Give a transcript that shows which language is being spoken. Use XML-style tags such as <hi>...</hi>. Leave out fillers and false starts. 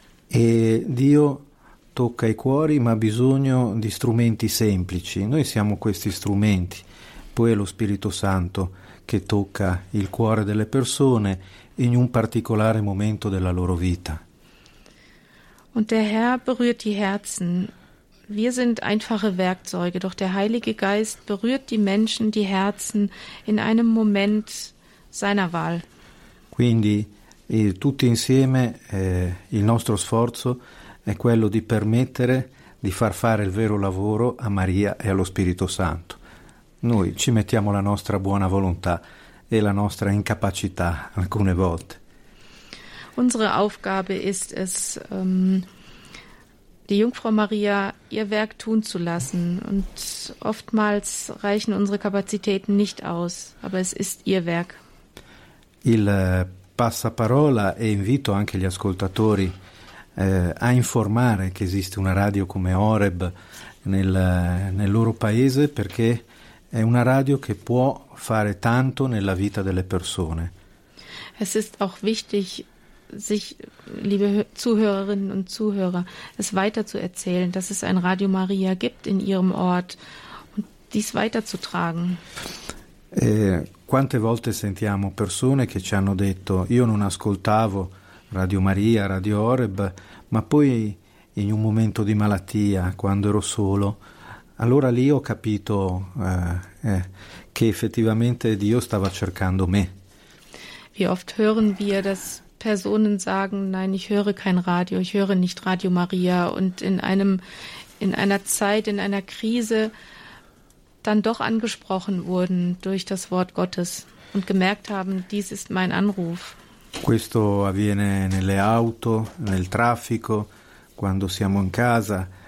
<it>E Dio tocca i cuori, ma ha bisogno di strumenti semplici. Noi siamo questi strumenti. Poi è lo Spirito Santo che tocca il cuore delle persone in un particolare momento della loro vita.</it> <de>Und der Herr berührt die Herzen. Wir sind einfache Werkzeuge, doch der Heilige Geist berührt die Menschen, die Herzen in einem Moment seiner Wahl.</de> <it>Quindi, tutti insieme, il nostro sforzo è quello di permettere di far fare il vero lavoro a Maria e allo Spirito Santo. Noi ci mettiamo la nostra buona volontà e la nostra incapacità alcune volte.</it> <de>Unsere Aufgabe ist es, die Jungfrau Maria ihr Werk tun zu lassen. Und oftmals reichen unsere Kapazitäten nicht aus, aber es ist ihr Werk.</de> <it>Il passaparola e invito anche gli ascoltatori a informare che esiste una radio come Horeb nel loro paese, perché è una radio che può fare tanto nella vita delle persone.</it> <de>Es ist auch wichtig, sich, liebe Zuhörerinnen und Zuhörer, es weiter zu erzählen, dass es ein Radio Maria gibt in ihrem Ort und dies weiterzutragen.</de> <it>Quante volte sentiamo persone che ci hanno detto: io non ascoltavo Radio Maria, Radio Horeb, ma poi in un momento di malattia, quando ero solo, allora lì ho capito che effettivamente Dio stava cercando me.</it> <de>Wie oft hören wir, dass Personen sagen: nein, ich höre kein Radio, ich höre nicht Radio Maria, und in einer Zeit, in einer Krise dann doch angesprochen wurden durch das Wort Gottes und gemerkt haben: dies ist mein Anruf.</de> <it>Questo avviene nelle auto, nel traffico, quando siamo in casa.</it>